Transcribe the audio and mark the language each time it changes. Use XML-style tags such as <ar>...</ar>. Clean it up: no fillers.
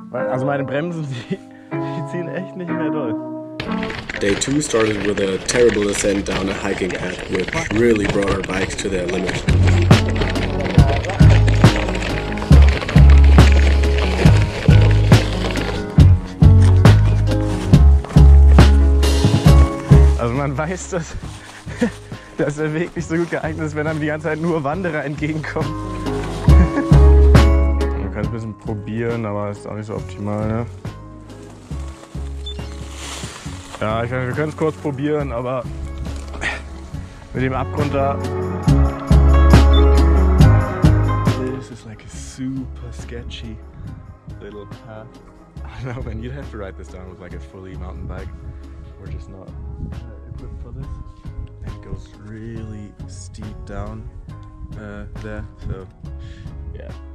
<de>Also meine Bremsen, die ziehen echt nicht mehr doll.</de> <en>Day 2 started with a terrible ascent down a hiking path, which really brought our bikes to their limit.</en> <de>Also man weiß, dass der Weg nicht so gut geeignet ist, wenn einem die ganze Zeit nur Wanderer entgegenkommen. Ich kann es ein bisschen probieren, aber es ist auch nicht so optimal, ne? Ja, ich meine, wir können es kurz probieren, aber mit dem Abgrund da.</de> <en>This is like a super sketchy little path. I don't know, man, you'd have to ride this down with like a fully mountain bike. We're just not equipped for this. And it goes really steep down there, so yeah.</en>